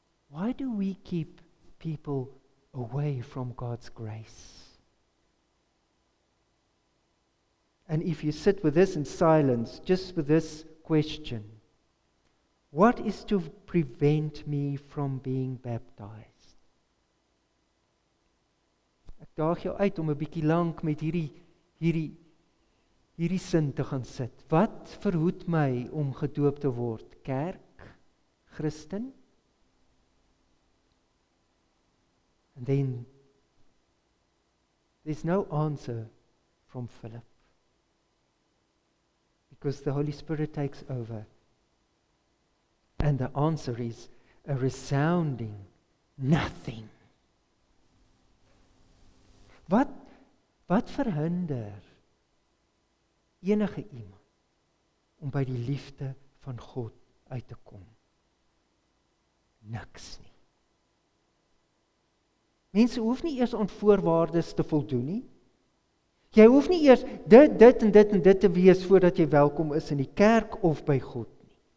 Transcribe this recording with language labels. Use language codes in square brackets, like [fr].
[en] Why do we keep people away from God's grace? And if you sit with this in silence, just with this question, what is to prevent me from being baptized? [af] Ek daag jou uit om 'n bietjie lank met hierdie sin te gaan sit. Wat verhoed my om gedoop te word? Kerk? Christen? [en] And then, there's no answer from Philip. Because the Holy Spirit takes over. And the answer is a resounding nothing. [af] Wat verhinder enige iemand om by die liefde van God uit te kom? Niks nie. Mense hoef nie eers aan voorwaardes te voldoen nie. Jy hoef nie eers dit en dit te wees voordat jy welkom is in die kerk of by God nie.